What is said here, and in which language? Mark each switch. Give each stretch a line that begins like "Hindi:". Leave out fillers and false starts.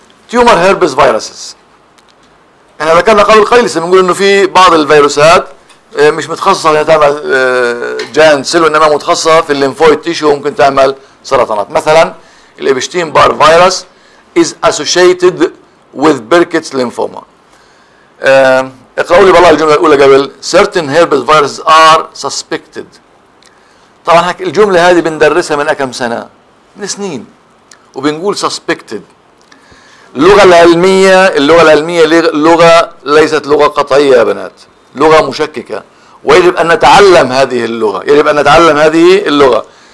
Arabic: تيومر هيربس فيروسز، احنا ذكرنا قبل قليل سنقول انه في بعض الفيروسات مش متخصصه انها تعمل جاينت سيل، وانما متخصصه في الليمفويد تيشو وممكن تعمل سرطانات. مثلا الابشتين بار فيروس
English: is associated with Burkitt's lymphoma.
Arabic: اقرأوا لي بالله الجملة الأولى قبل.
English: Certain herpes viruses are suspected.
Arabic: طبعا الجملة هذه بندرسها من كم سنة، من سنين، وبنقول suspected. اللغة العلمية لغة ليست لغة قطعية يا بنات، لغة مشككة، ويجب أن نتعلم هذه اللغة، يجب أن نتعلم هذه اللغة.